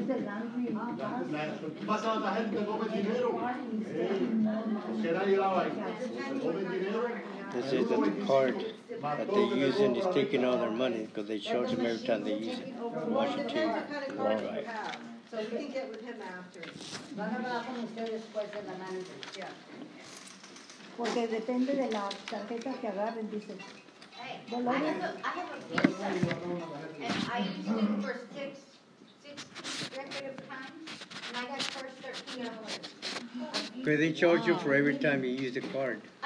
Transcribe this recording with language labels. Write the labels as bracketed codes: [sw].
[es] ¿Qué pasa a la gente que come dinero? Porque nadie la va a ir. Come dinero. [en] This is the card that they use and he's taking all their money because they charge them every time they use it. Well, it depends what kind of card you have. So you can get with him after. [es] Va a hablar con ustedes después de la manager. Porque depende de la tarjeta que agarren, dice. [en] Hey, I have a Visa and I use it for six consecutive times and I got charged $13. So that's $13. They charge you for every time you use the card.